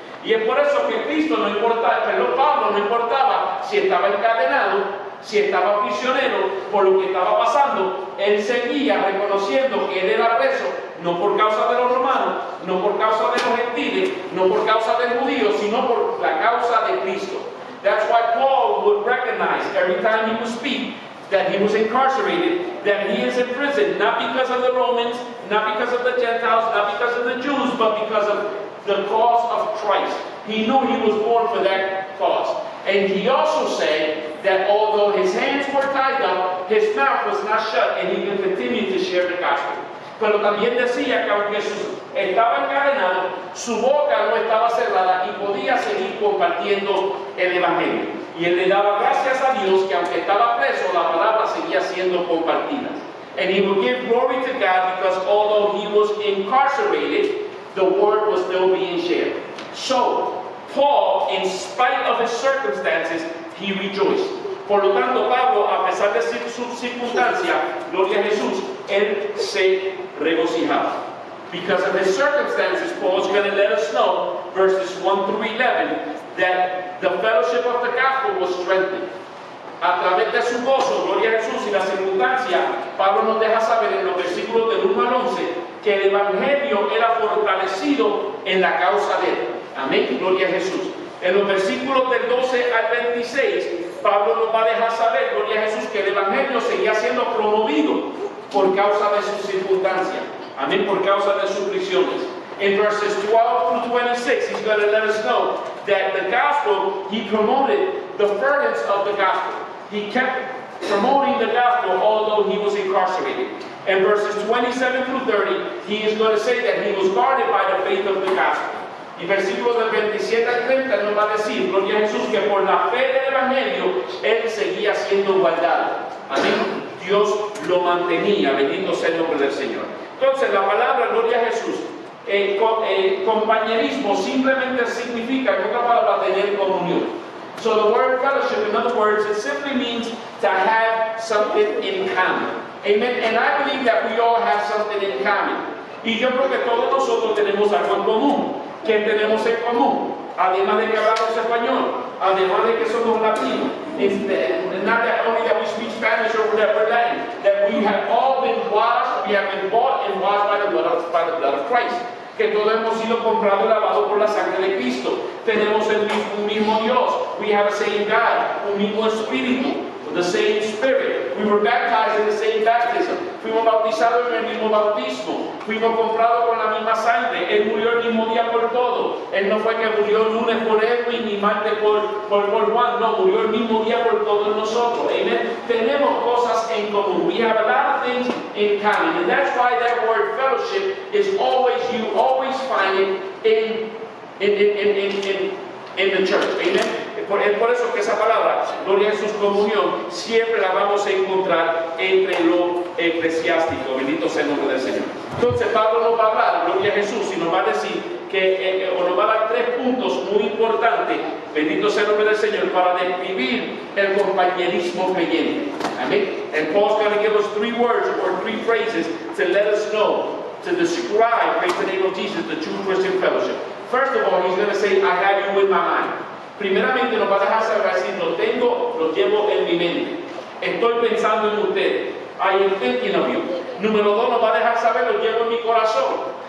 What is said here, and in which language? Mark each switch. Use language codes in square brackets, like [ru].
[es] Y es por eso que Cristo no importaba, pero Pablo no importaba si estaba encadenado, si estaba prisionero, por lo que estaba pasando, él seguía reconociendo que él era preso, no por causa de los romanos, no por causa de los gentiles, no por causa del judío, sino por la causa de Cristo. [en] That's why Paul would recognize every time he would speak that he was incarcerated, that he is in prison, not because of the Romans, not because of the Gentiles, not because of the Jews, but because of the cause of Christ. He knew he was born for that cause. And he also said that although his hands were tied up, his mouth was not shut, and he could continue to share the gospel. [es] Pero también decía que aunque Jesús estaba encadenado, su boca no estaba cerrada y podía seguir compartiendo el Evangelio. Y él le daba gracias a Dios que aunque estaba preso, la palabra seguía siendo compartida. [en] And he would give glory to God because although he was incarcerated, the word was still being shared. So, Paul, in spite of his circumstances, he rejoiced. [es] Por lo tanto, Pablo, a pesar de su circunstancia, gloria a Jesús, él se regocijaba. [en] Because of his circumstances, Paul is going to let us know, verses 1 through 11, that the fellowship of the gospel was strengthened. [es] A través de su gozo, gloria a Jesús, y la circunstancia, Pablo nos deja saber en los versículos del 1 al 11 que el Evangelio era fortalecido en la causa de él. Amén, gloria a Jesús. En los versículos del 12 al 26, Pablo nos va a dejar saber, gloria a Jesús, que el Evangelio seguía siendo promovido por causa de sus circunstancias. Amén, por causa de sus prisiones. [en] In verses 12 through 26, he's going to let us know that the gospel he promoted the furtherance of the gospel. He kept promoting the gospel although he was incarcerated. And verses 27 through 30, he is going to say that he was guarded by the faith of the gospel. [es] Y versículos de 27 a 30 nos va a decir, gloria a Jesús, que por la fe del Evangelio, él seguía siendo guardado. Amén. Dios lo mantenía, bendito sea el nombre del Señor. Entonces, la palabra, gloria a Jesús, compañerismo simplemente significa, en otra palabra, tener comunión. [en] So the word fellowship, in other words, it simply means to have something in common. Amen. And I believe that we all have something in common. [es] Y yo creo que todos nosotros tenemos algo en común. ¿Qué tenemos en común? Además de que hablamos español, además de que somos latinos, [en] not that only that we speak Spanish or whatever Latin, that we have all been washed, we have been bought and washed by the blood of Christ. [es] Que todos hemos sido comprados y lavados por la sangre de Cristo. Tenemos un mismo Dios. [en] We have the same God, [es] un mismo Espíritu, [en] the same Spirit. We were baptized in the same baptism. [es] Fuimos bautizados en el mismo bautismo. Fuimos comprados con la misma sangre. Él murió el mismo día por todo. Él no fue que murió el lunes por Edwin ni martes por Juan. No, murió el mismo día por todos nosotros. [en] Amen. [es] Tenemos cosas en común. [en] We have a lot of things in common. And that's why that word fellowship is always, you always find it in the church. Amen. [es] Por eso que esa palabra, gloria a Jesús, comunión, siempre la vamos a encontrar entre lo eclesiástico. Bendito sea el nombre del Señor. Entonces Pablo nos va a hablar, gloria a Jesús, y nos va a decir que, o nos va a dar tres puntos muy importantes, bendito sea el nombre del Señor, para describir el compañerismo creyente. Amén. [en] And Paul's going to give us three words or three phrases to let us know, to describe, praise the name of Jesus, the true Christian fellowship. First of all, he's going to say, I have you in my mind. [es] Primeramente nos va a dejar saber, decir, lo tengo, lo llevo en mi mente. Estoy pensando en usted. [en] I am thinking of you. [es] Número dos, nos va a dejar saber, lo llevo en mi corazón.